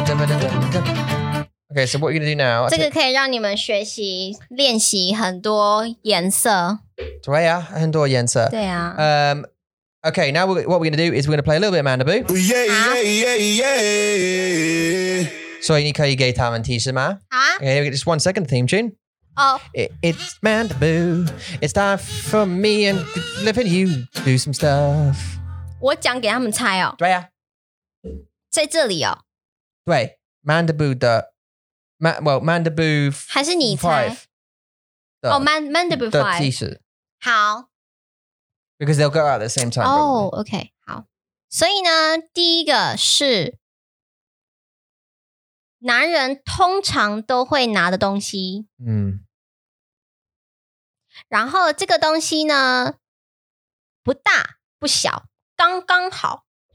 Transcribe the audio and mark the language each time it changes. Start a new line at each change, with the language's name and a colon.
English: Ooh. Okay so what are you going to do now?
Chinese: 这个可以让你们学习练习很多颜色对啊很多颜色对啊、
English: Okay now what we're going to do is we're going to play a little bit of Mandaboo Yeah
Chinese: 所以你可以给他们提示吗好啊
English: Okay, just 1 second theme tune It's Mandaboo. It's time for me and Liv and you to do some stuff.
Chinese: 我讲给他们猜哦。对啊。在这里哦。对 ,Mandaboo 的 Mandaboo 还是你猜。哦、oh, Mandaboo 5. 的提示。好。
English: Because they'll go out at the same time. Oh, okay. 好。
Chinese: 所以呢第一个是男人通常都会拿的东西。嗯。然后这个东西呢不大不小刚刚好。